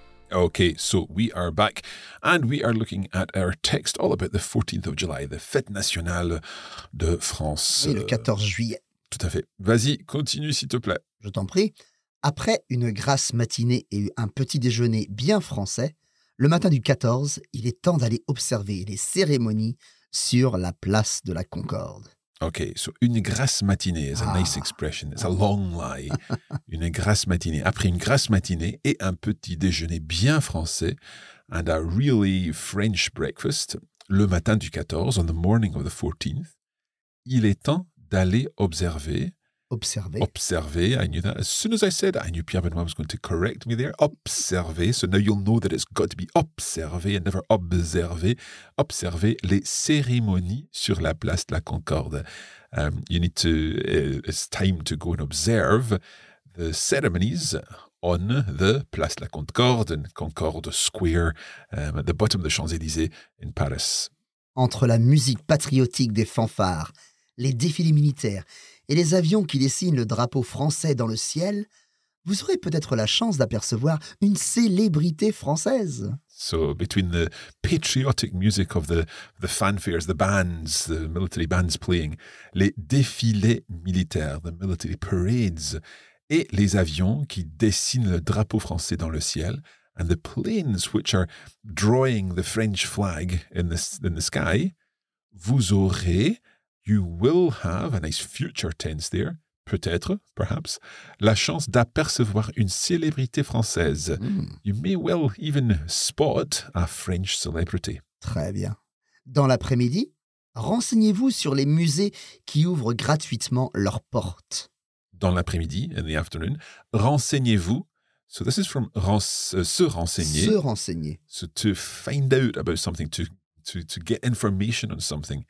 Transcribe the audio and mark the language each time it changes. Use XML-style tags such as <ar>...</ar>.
<en>Okay, so we are back and we are looking at our text all about the 14th of July, the Fête Nationale de France.</en> <fr>Oui, le 14 juillet. Tout à fait. Vas-y, continue s'il te plaît. Je t'en prie. Après une grasse matinée et un petit déjeuner bien français, le matin du 14, il est temps d'aller observer les cérémonies sur la place de la Concorde.</fr> <en>Okay, so</en> <fr>une grasse matinée</fr> <en>is a nice expression. It's a long lie. Une grasse matinée.</en> <fr>Après une grasse matinée et un petit déjeuner bien français,</fr> <en>and a really French breakfast,</en> <fr>le matin du 14,</fr> <en>on the morning of the 14th,</en> <fr>il est temps d'aller observer Observer.</fr> <en>Observer, I knew that. As soon as I said it, I knew Pierre Benoit was going to correct me there. Observer, so now you'll know that it's got to be observer and never observer.</en> <fr>Observer les cérémonies sur la place de la Concorde.</fr> <en>You need to, it's time to go and observe the ceremonies on the Place de la Concorde, and Concorde Square, at the bottom of the Champs-Élysées in Paris.</en> <fr>Entre la musique patriotique des fanfares, les défilés militaires et les avions qui dessinent le drapeau français dans le ciel, vous aurez peut-être la chance d'apercevoir une célébrité française.</fr> <en>So between the patriotic music of the fanfares, the bands, the military bands playing,</en> <fr>les défilés militaires,</fr> <en>the military parades,</en> <fr>et les avions qui dessinent le drapeau français dans le ciel,</fr> <en>and the planes which are drawing the French flag in the sky,</en> <fr>vous aurez,</fr> <en>you will have, a nice future tense there,</en> <fr>peut-être,</fr> <en>perhaps,</en> <fr>la chance d'apercevoir une célébrité française.</fr> <en>Mm. You may well even spot a French celebrity.</en> <fr>Très bien. Dans l'après-midi, renseignez-vous sur les musées qui ouvrent gratuitement leurs portes. Dans l'après-midi,</fr> <en>in the afternoon,</en> <fr>renseignez-vous.</fr> <en>So this is from</en> <fr>se renseigner. Se renseigner.</fr> <en>So to find out about something, to get information on something.</en>